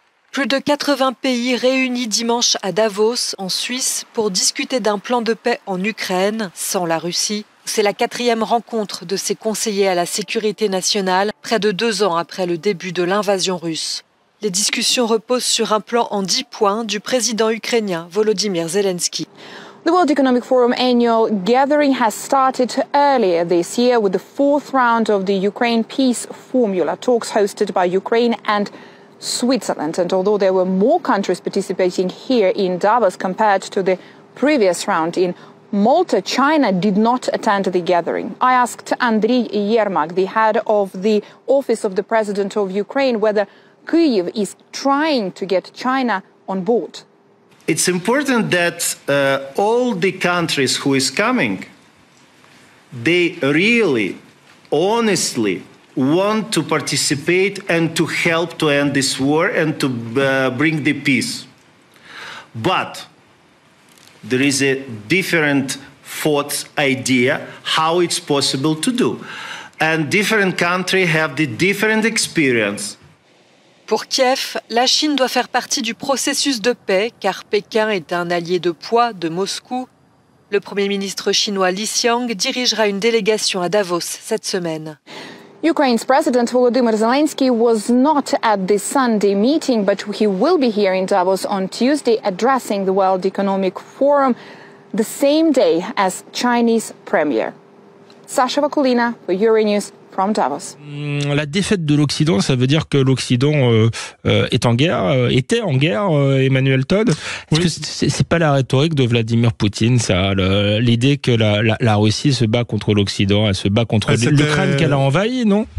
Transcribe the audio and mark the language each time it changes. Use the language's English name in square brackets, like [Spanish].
[French] Plus de 80 pays réunis dimanche à Davos, en Suisse, pour discuter d'un plan de paix en Ukraine, sans la Russie. C'est la quatrième rencontre de ces conseillers à la sécurité nationale, près de 2 ans après le début de l'invasion russe. Les discussions reposent sur un plan en 10 points du président ukrainien Volodymyr Zelensky. [English] The World Economic Forum annual gathering has started earlier this year with the fourth round of the Ukraine Peace Formula talks hosted by Ukraine and Switzerland. And although there were more countries participating here in Davos compared to the previous round in Malta, China did not attend the gathering. I asked Andriy Yermak, the head of the Office of the President of Ukraine, whether Kyiv is trying to get China on board. It's important that all the countries who is coming, they really, honestly want to participate and to help to end this war and to bring the peace. But there is a different thought idea how it's possible to do. And different countries have the different experience. [French] Pour Kiev, la Chine doit faire partie du processus de paix car Pékin est un allié de poids de Moscou. Le premier ministre chinois Li Xiang dirigera une délégation à Davos cette semaine. [English] Ukraine's president Volodymyr Zelensky was not at the Sunday meeting, but he will be here in Davos on Tuesday addressing the World Economic Forum the same day as Chinese premier. Sasha Vakulina for Euronews. From Davos. [French] La défaite de l'Occident, ça veut dire que l'Occident est en guerre, était en guerre, Emmanuel Todd. Est-ce que c'est pas la rhétorique de Vladimir Poutine, ça, l'idée que la Russie se bat contre l'Occident, elle se bat contre l'Ukraine qu'elle a envahie, non?